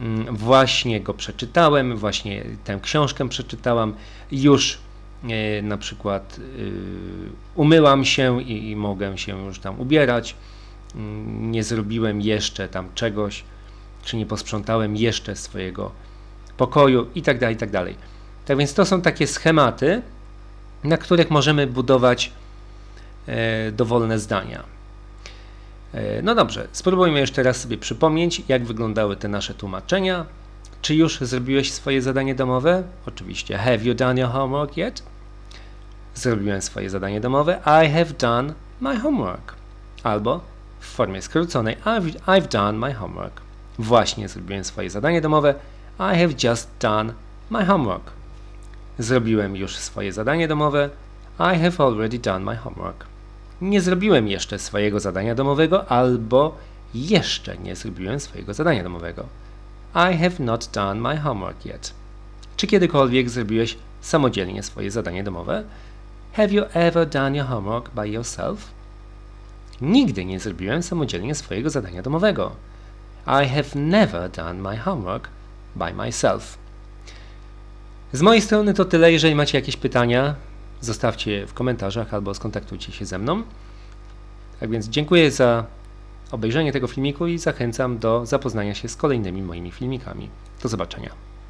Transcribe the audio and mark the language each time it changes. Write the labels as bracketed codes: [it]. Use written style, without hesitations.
[pl] Właśnie go przeczytałem, właśnie tę książkę przeczytałam, już na przykład umyłam się i mogę się już tam ubierać, nie zrobiłem jeszcze tam czegoś, czy nie posprzątałem jeszcze swojego pokoju i tak dalej, i tak dalej. Tak więc to są takie schematy, na których możemy budować dowolne zdania. No dobrze, spróbujmy jeszcze raz sobie przypomnieć, jak wyglądały te nasze tłumaczenia. Czy już zrobiłeś swoje zadanie domowe? Oczywiście, [en] have you done your homework yet? [pl] Zrobiłem swoje zadanie domowe. [en] I have done my homework. [pl] Albo w formie skróconej, [en] I've done my homework. [pl] Właśnie zrobiłem swoje zadanie domowe. [en] I have just done my homework. [pl] Zrobiłem już swoje zadanie domowe. [en] I have already done my homework. [pl] Nie zrobiłem jeszcze swojego zadania domowego, albo jeszcze nie zrobiłem swojego zadania domowego. [en] I have not done my homework yet. [pl] Czy kiedykolwiek zrobiłeś samodzielnie swoje zadanie domowe? [en] Have you ever done your homework by yourself? [pl] Nigdy nie zrobiłem samodzielnie swojego zadania domowego. [en] I have never done my homework by myself. [pl] Z mojej strony to tyle, jeżeli macie jakieś pytania, zostawcie je w komentarzach albo skontaktujcie się ze mną. Tak więc dziękuję za obejrzenie tego filmiku i zachęcam do zapoznania się z kolejnymi moimi filmikami. Do zobaczenia.